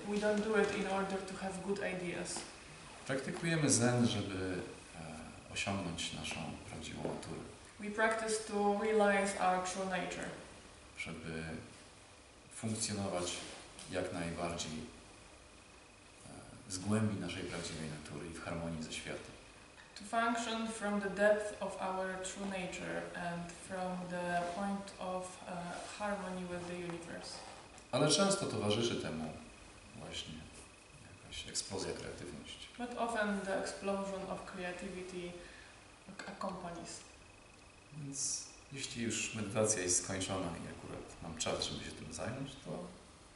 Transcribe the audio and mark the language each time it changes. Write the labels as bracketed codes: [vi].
[en] We don't do it in order to have good ideas. [pl] Praktykujemy Zen, żeby osiągnąć naszą prawdziwą naturę. [en] We practice to realize our true nature. [pl] Żeby funkcjonować jak najbardziej z głębi naszej prawdziwej natury i w harmonii ze światem. [en] To function from the depth of our true nature and from the point of harmony with the universe. [pl] Ale często towarzyszy temu właśnie jakaś eksplozja kreatywności. [en] But often the explosion of creativity accompanies. [pl] Więc jeśli już medytacja jest skończona i akurat mam czas, żeby się tym zająć, to warto to użyć.